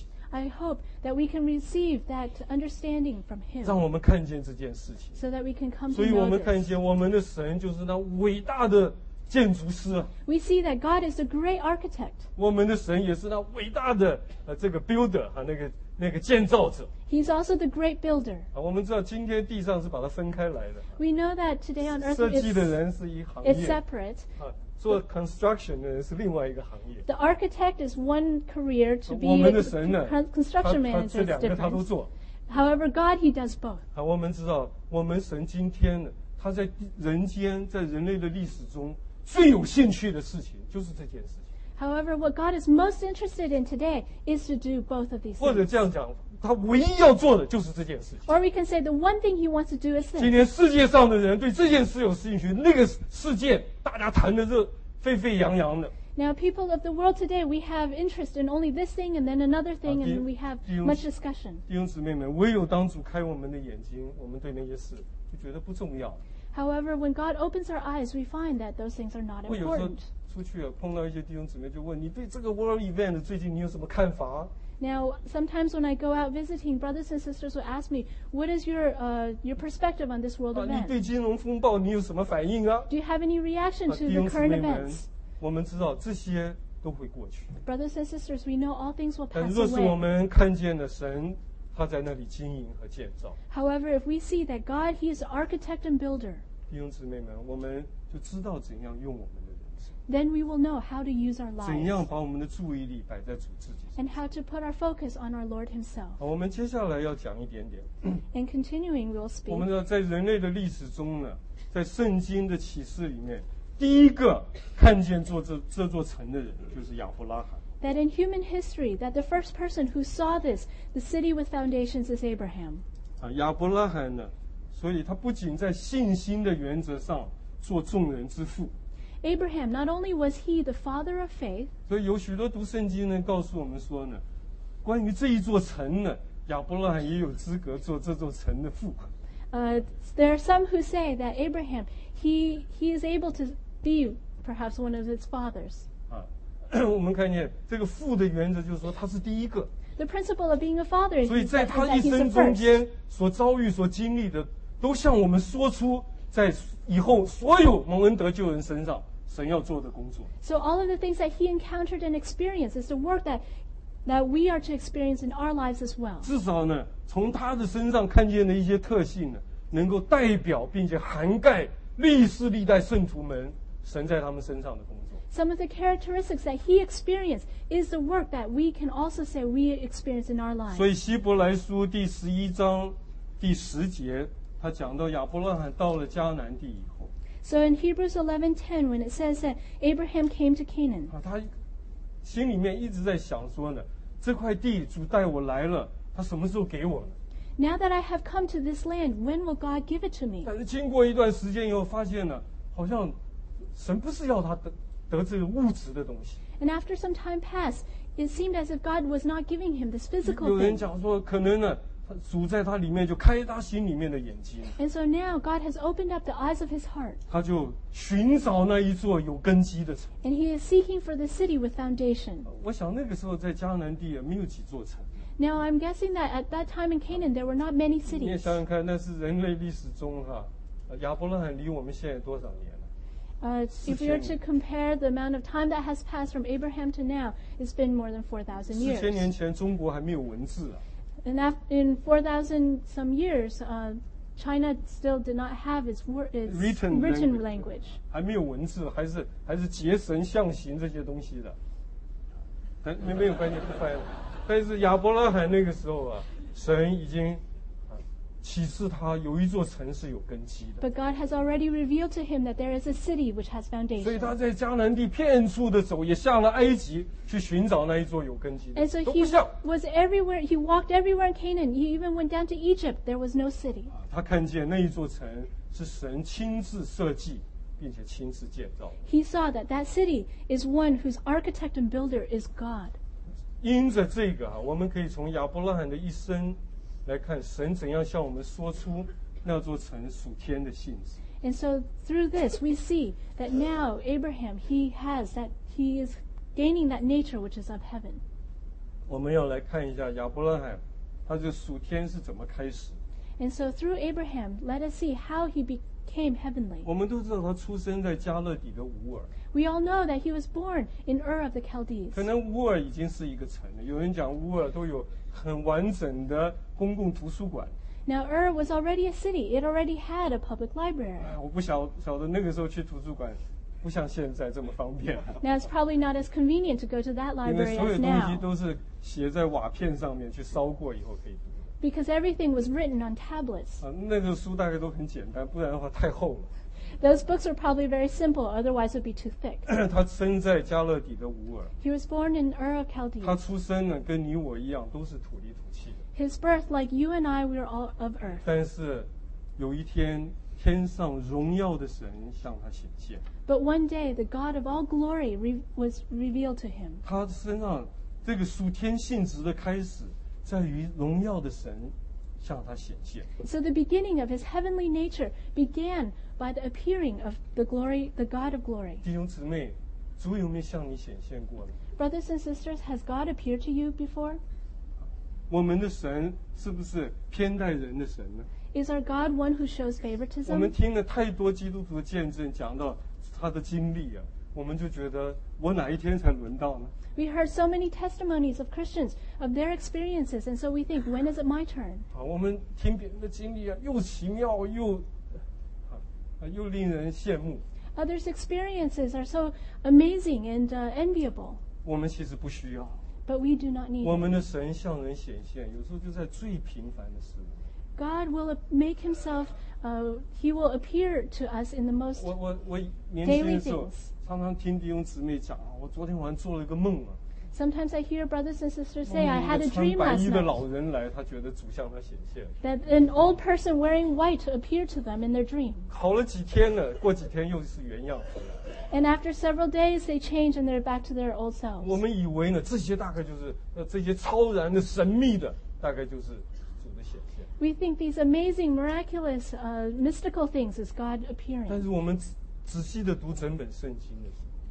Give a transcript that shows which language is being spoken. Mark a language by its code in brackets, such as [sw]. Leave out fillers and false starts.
[en] I hope that we can receive that understanding from Him. [zh] 让我们看见这件事情 [en] so that we can come to know this. [zh] 所以我们看见我们的神就是那伟大的建筑师。 [en] We see that God is a great architect. [zh] 我们的神也是那伟大的这个 builder 和那个。那个建造者 [en] He's also the great builder [zh] 我们知道今天地上是把它分开来的 [en] We know that today on earth [zh] 设计的人是一行业 [en] It's separate [zh] 做 construction 的人是另外一个行业 [en] The architect is one career to be [zh] 我们的神呢 [en] Construction manager is different [zh] 这两个他都做 [en] However God he does both [zh] 我们知道我们神今天呢他在人间在人类的历史中最有兴趣的事情就是这件事情 [en] However, what God is most interested in today is to do both of these things. [zh] 或者这样讲，他唯一要做的就是这件事情。 [en] Or we can say the one thing he wants to do is this. [zh] 今天世界上的人对这件事有兴趣，那个事件大家谈的热沸沸扬扬的。 [en] Now, people of the world today, we have interest in only this thing and then another thing, and we have much discussion. [zh] 弟兄姊妹们，唯有当主开我们的眼睛，我们对那些事就觉得不重要。 [en] However, when God opens our eyes, we find that those things are not important. [zh] 出去啊，碰到一些弟兄姊妹就问你对这个 [en] world event [zh] 最近你有什么看法 [en] Now sometimes when I go out visiting brothers and sisters will ask me what is your perspective on this world event [zh] 你对金融风暴你有什么反应啊 [en] Do you have any reaction to the current events [zh] 我们知道这些都会过去 [en] Brothers and sisters we know all things will pass away [zh] 但若是我们看见了神他在那里经营和建造 [en] However if we see that God he is architect and builder [zh] 弟兄姊妹们我们就知道怎样用我们的 [en] Then we will know how to use our lives. [zh] 怎样把我们的注意力摆在主自己 [en] And how to put our focus on our Lord Himself. [zh] 我们接下来要讲一点点 [en] And continuing, we'll speak. [zh] 我们知道在人类的历史中呢，在圣经的启示里面，第一个看见这座城的人就是亚伯拉罕。 [en] That in human history, that the first person who saw this, the city with foundations, is Abraham. [zh] 亚伯拉罕呢，所以他不仅在信心的原则上做众人之父。 [en] Abraham, not only was he the father of faith, [zh] 所以有许多读圣经呢告诉我们说呢关于这一座城呢亚伯拉罕也有资格做这座城的父。 [en] There are some who say that Abraham, he is able to be perhaps one of his fathers. [zh] 我们看见这个父的原则就是说他是第一个。 [en] The principle of being a father is that he's the first. [zh] 所以在他一生中间所遭遇所经历的都向我们说出在以后所有蒙恩得救人身上神要做的工作。 [en] So all of the things that he encountered and experienced is the work that, that we are to experience in our lives as well. [zh] 至少呢从他的身上看见的一些特性呢能够代表并且涵盖历世历代圣徒们神在他们身上的工作。 [en] Some of the characteristics that he experienced is the work that we can also say we experience in our lives. [zh] 所以希伯来书第十一章第十节，他讲到亚伯拉罕到了迦南地以后。 [en] So in Hebrews 11:10, when it says that Abraham came to Canaan. [zh] 他心里面一直在想说呢，这块地主带我来了，他什么时候给我呢？ [en] Now that I have come to this land, when will God give it to me? [zh] 但是经过一段时间以后，发现呢，好像神不是要他的。得这个物质的东西。 [en] And after some time passed, it seemed as if God was not giving him this physical thing. [zh] 有人讲说，可能呢，主在他里面就开他心里面的眼睛。 [en] And so now God has opened up the eyes of his heart. [zh] 他就寻找那一座有根基的城。 [en] And he is seeking for the city with foundation. [zh] 我想那个时候在迦南地没有几座城。 [en] Now I'm guessing that at that time in Canaan there were not many cities. [zh] 你也想想看，那是人类历史中哈，亚伯拉罕离我们现在多少年？ [en] If you were to compare the amount of time that has passed from Abraham to now, it's been more than 4,000 years. [zh] 4,000 年前中国还没有文字啊。 [en] And in 4,000 some years, China still did not have its written language. [zh] 还没有文字，还是结绳象形这些东西的。但没有关系，不翻了。但是亚伯拉罕那个时候啊，神已经。启示他有一座城是有根基的。 [en] But God has already revealed to him that there is a city which has foundation. [zh] 所以他在迦南地遍处的走，也下了埃及去寻找那一座有根基的。 [en] And so he was everywhere. He walked everywhere in Canaan. He even went down to Egypt. There was no city. [zh] 他看见那一座城是神亲自设计，并且亲自建造。 [en] He saw that that city is one whose architect and builder is God. [zh] 因着这个啊，我们可以从亚伯拉罕的一生。来看神怎样向我们说出那座城属天的性质。 [en] And so through this, we see that now Abraham he has that he is gaining that nature which is of heaven. [zh] 我们要来看一下亚伯拉罕，他这属天是怎么开始。 [en] And so through Abraham, let us see how he became heavenly. [zh] 我们都知道他出生在加勒底的乌尔。 [en] We all know that he was born in Ur of the Chaldees. [zh] 可能乌尔已经是一个城了。有人讲乌尔都有。很完整的公共图书馆。 [en] Now Ur was already a city. It already had a public library. [zh] 我不晓得那个时候去图书馆，不像现在这么方便。 [en] Now it's probably not as convenient to go to that library as now. [zh] 因为所有东西都是写在瓦片上面，去烧过以后可以读。 [en] Because everything was written on tablets. [zh] 那个书大概都很简单，不然的话太厚了。 [en] Those books were probably very simple, otherwise it would be too thick. [zh] 他生在加勒底的乌尔。 [en] He was born in Ur of Chaldees. [zh] 他出生呢，跟你我一样，都是土里土气的。 [en] His birth, like you and I, we were all of earth. [zh] 但是有一天，天上荣耀的神向他显现。 [en] But one day, the God of all glory was revealed to him. [zh] 他身上这个属天性质的开始，在于荣耀的神。向他显现。 [en] So the beginning of his heavenly nature began by the appearing of the glory, the God of glory. [zh] 弟兄姊妹，主有没有向你显现过呢？ [en] Brothers and sisters, has God appeared to you before? [zh] 我们的神是不是偏待人的神呢？ [en] Is our God one who shows favoritism? [zh] 我们听了太多基督徒的见证，讲到他的经历啊，我们就觉得我哪一天才轮到呢？ [en] We heard so many testimonies of Christians of their experiences, and so we think, when is it my turn? [zh] 啊，我们听别人的经历啊，又奇妙又啊，又令人羡慕。 [en] Others' experiences are so amazing and enviable. [zh] 我们其实不需要。 [en] But we do not need. [zh] 我们的神向人显现，有时候就在最平凡的事物。 [en] God will make himself, he will appear to us in the most daily things. [zh] 常常听弟兄姊妹讲，我昨天晚上做了一个梦啊。 [en] Sometimes I hear brothers and sisters say I had a dream last night. [zh] 穿白衣的老人来，他觉得主向他显现。 [en] That an old person wearing white appeared to them in their dream. [zh] 好了几天了，过几天又是原样子。 [en] And after several days, they change and they're back to their old selves. [zh] 我们以为呢，这些大概就是这些超然的神秘的，大概就是主的显现。 [en] We think these amazing, miraculous, mystical things is God appearing. [zh] 但是我们仔细地读整本圣经的时候，